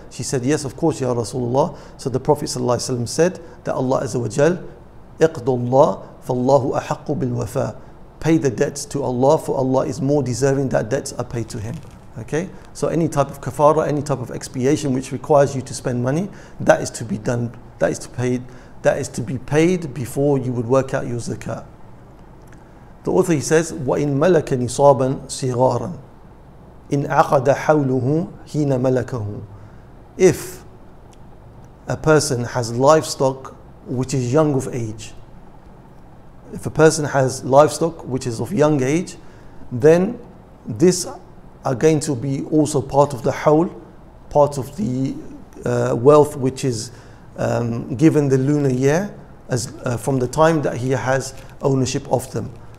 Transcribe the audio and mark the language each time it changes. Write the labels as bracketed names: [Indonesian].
[English] She said, yes, of course, Ya Rasulullah. So the Prophet sallallahu alayhi wa sallam said that Allah azza wa jal, اقضوا الله فالله أحق بالوفاء. Pay the debts to Allah, for Allah is more deserving that debts are paid to Him. Okay, so any type of kafara, any type of expiation which requires you to spend money, that is to be done, that is to be paid before you would work out your zakat. [Arabic] The author, he says, وَإِن مَلَكَ نِصَابًا صِغَارًا إِنْ عَقَدَ حَوْلُهُ حِينَ مَلَكَهُ. [English] If a person has livestock which is young of age, if a person has livestock which is of young age, then this are going to be also part of the hawl, part of the wealth which is given the lunar year as from the time that he has ownership of them.